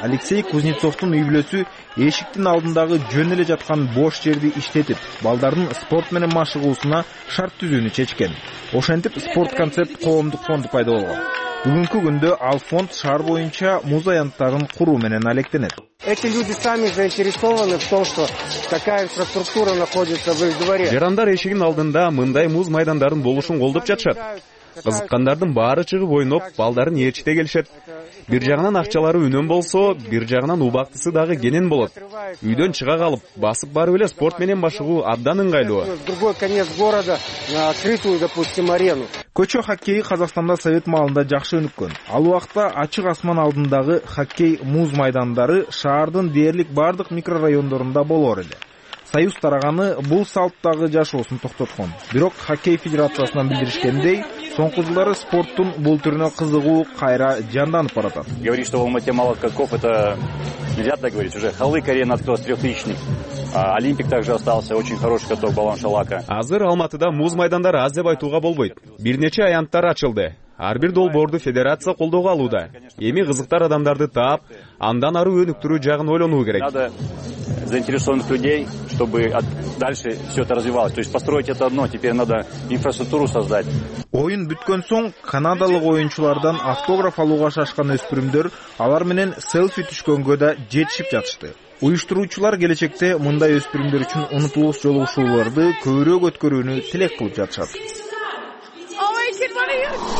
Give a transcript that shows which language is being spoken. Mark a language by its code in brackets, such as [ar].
[ky] Алексей Кузнецовтун үй бүлөсү эшиктин алдындагы жөн эле жаткан бош жерди иштетип, балдардын спорт менен машыгуусуна шарт түзүүнү чечкен. Ошентип Спорт Концепт коомдук фонду пайда болгон. Бүгүнкү күндө ал фонд шаар боюнча муз аянттарын куруу менен алектенет. [ru] Эти люди сами заинтересованы в том, что такая инфраструктура находится в их дворе. [ky] Жарандар эшигин алдында мындай муз майдандарын болушун колдоп жатышат. Кызыккандардын баары чыгып ойноп, балдарын ээрчите келишет. Бир жагынан акчалары үнөм болсо, бир жагынан убактысы дагы кенен болот. Үйдөн чыга калып, басып барып эле спорт менен машыгуу абдан ыңгайлуу. [ru] Другой конец города на открытую, допустим, арену. [ky] Көчө хоккей Казакстанда совет маалында жакшы өнүккөн. Ал убакта ачык асман алдындагы хоккей муз майдандары шаардын дээрлик бардык микрорайондорунда болор эле. Союз тараганы бул салттагы жашоосун токтоткон. Бирок хоккей федерациясынан билдиришкендей, соңку жылдары спорттун бул түрүнө кызыгуу кайра жанданып баратат. [ru] Говорит, что в Алмате мало игроков, это нельзя так говорить. Уже Халык арена открылась, 3000-ник. Олимпик также остался, очень хороший каток Баланшалака. [ky] Азыр Алматыда муз майдандары аз деп айтууга болбойт. Бир нече аянттар ачылды. Ар бир долбоорду федерация колдоого алууда. Эми кызыктар адамдарды таап, андан ары өнүктүрүү жагын ойлонуу керек. [ru] Надо заинтересованных людей, чтобы дальше все это развивалось. То есть построить это одно, теперь надо инфраструктуру создать. [ky] Оюн бүткөн соң канадалык оюнчулардан автограф алууга шашкан өспүрүмдөр алар менен селфи түшкөнгө да жетишип жатышты. Уюштуруучулар келечекте мындай өспүрүмдөр үчүн унутулуусуз жолугушууларды көбүрөөк өткөрүүнү тилек кылып жатышат. Ой, кит, бабай.